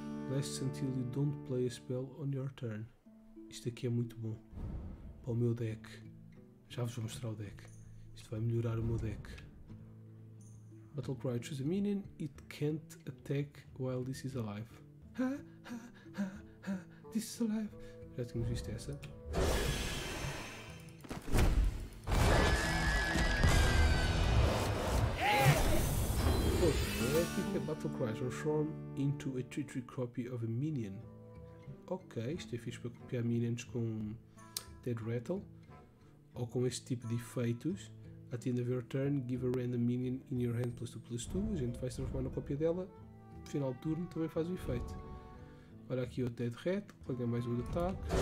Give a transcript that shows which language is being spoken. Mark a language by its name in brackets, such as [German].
[English] Lasts until you don't play a spell on your turn. [Portuguese] Isto aqui é muito bom para o meu deck. Já vos vou mostrar o deck. Isto vai melhorar o meu deck. [English] Battlecry, choose a minion. It can't attack while this is alive. This is alive. [Portuguese] Já tínhamos visto essa. [English] Oh, epic Battlecry transform into a 3-3 copy of a minion. [Portuguese] Ok, isto é fixe para copiar minions com Dead Rattle. Ou com este tipo de efeitos. [English] At the end of your turn, give a random minion in your hand +2/+2. [Portuguese] A gente vai se transformar na cópia dela. Final de turno também faz o efeito. Olha aqui o Dead Rat, paga mais um ataque.